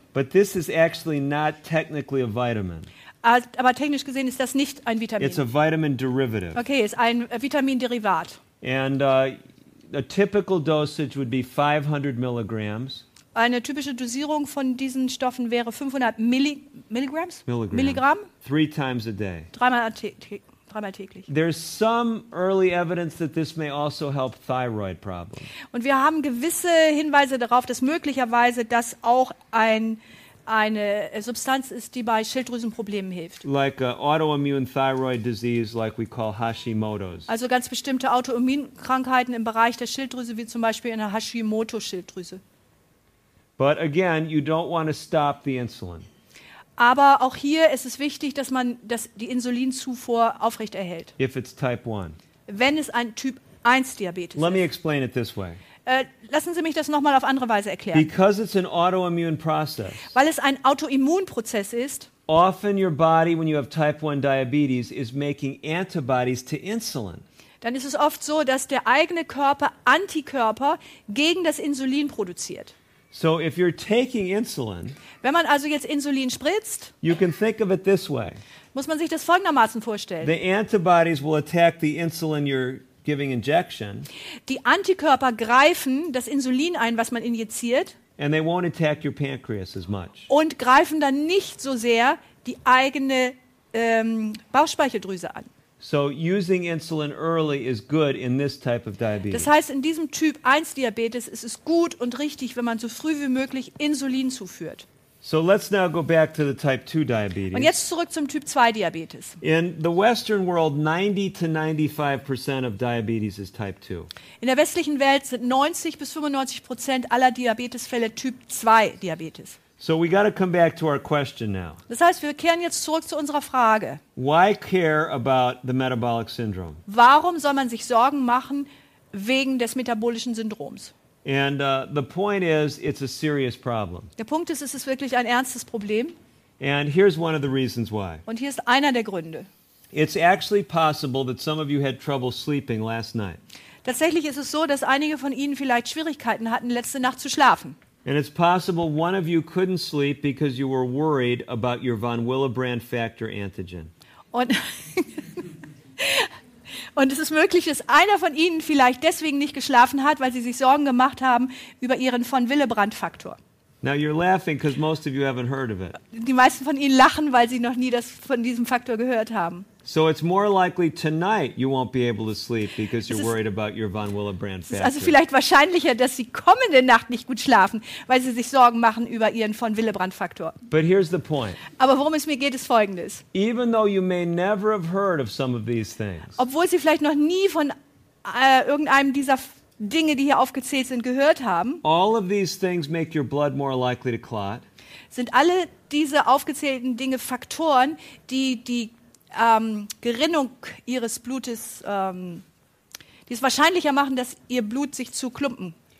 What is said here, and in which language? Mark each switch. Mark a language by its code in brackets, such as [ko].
[en] But this is actually not technically a vitamin. [de] Aber technisch gesehen ist das nicht ein Vitamin. [en] It's a vitamin derivative. [de] Okay, ist ein Vitaminderivat. [en] And a typical dosage would be 500 milligrams. [de] Eine typische Dosierung von diesen Stoffen wäre 500 Milligramm. [en] Milligramm. 3 times a day. [de] Dreimal am Tag. dreimal täglich. [en] There's some early evidence that this may also help thyroid problems. [de] Und wir haben gewisse Hinweise darauf, dass möglicherweise das auch eine Substanz ist, die bei Schilddrüsenproblemen hilft. [en] Like an autoimmune thyroid disease, like we call Hashimoto's. [de] Also ganz bestimmte Autoimmunkrankheiten im Bereich der Schilddrüse, wie zum Beispiel in der Hashimoto-Schilddrüse. [en] But again, you don't want to stop the insulin. [de] Aber auch hier ist es wichtig, dass man die Insulinzufuhr aufrechterhält. [en] If it's type 1. [de] Wenn es ein Typ 1 Diabetes ist. [en] Let me explain it this way. [de] Lassen Sie mich das nochmal auf andere Weise erklären. [en] Because it's an autoimmune process. [de] Weil es ein Autoimmunprozess ist. [en] Often your body, when you have type 1 diabetes, is making antibodies to insulin. [de] Dann ist es oft so, dass der eigene Körper Antikörper gegen das Insulin produziert. [en] So if you're taking insulin, [de] wenn man also jetzt Insulin spritzt, [en] you can think of it this way. [de] Muss man sich das folgendermaßen vorstellen. [en] The antibodies will attack the insulin you're giving injection. [de] Die Antikörper greifen das Insulin ein, was man injiziert. [en] And they won't attack your pancreas as much. [de] Und greifen dann nicht so sehr die eigene Bauchspeicheldrüse an. [en] So using insulin early is good in this type of diabetes. [de] Das heißt, in diesem Typ 1 Diabetes ist es gut und richtig, wenn man so früh wie möglich Insulin zuführt. [en] So let's now go back to the type 2 diabetes. [de] Und jetzt zurück zum Typ 2 Diabetes. [en] In the Western world, 90-95% of diabetes is type 2. [de] In der westlichen Welt sind 90-95% aller Diabetesfälle Typ 2 Diabetes. [en] So we got to come back to our question now. [de] Das heißt, wir kehren jetzt zurück zu unserer Frage. [en] Why care about the metabolic syndrome? [de] Warum soll man sich Sorgen machen wegen des metabolischen Syndroms? [en] And the point is, it's a serious problem. [de] Der Punkt ist, es ist wirklich ein ernstes Problem. [en] And here's one of the reasons why. [de] Und hier ist einer der Gründe. [en] It's actually possible that some of you had trouble sleeping last night. [de] Tatsächlich ist es so, dass einige von Ihnen vielleicht Schwierigkeiten hatten, letzte Nacht zu schlafen. [en] And it's possible one of you couldn't sleep because you were worried about your von Willebrand factor antigen. [de] Und es ist möglich, dass einer von Ihnen vielleicht deswegen nicht geschlafen hat, weil Sie sich Sorgen gemacht haben über Ihren von Willebrand-Faktor. [en] Now you're laughing because most of you haven't heard of it. [de] Die meisten von Ihnen lachen, weil Sie noch nie das von diesem Faktor gehört haben. [en] So it's more likely tonight you won't be able to sleep because you're worried about your von Willebrand factor. [de] Es ist also vielleicht wahrscheinlicher, dass Sie kommende Nacht nicht gut schlafen, weil Sie sich Sorgen machen über Ihren von Willebrand-Faktor. [en] But here's the point. [de] Aber worum es mir geht, ist Folgendes. [en] Even though you may never have heard of some of these things. [de] Obwohl Sie vielleicht noch nie von irgendeinem dieser Dinge, die hier aufgezählt sind, gehört haben. [en] All of these things make your blood more likely to clot. [de] Sind alle diese aufgezählten Dinge Faktoren, die die Gerinnung Ihres Blutes, die es wahrscheinlicher machen, dass Ihr Blut sich zu Klumpen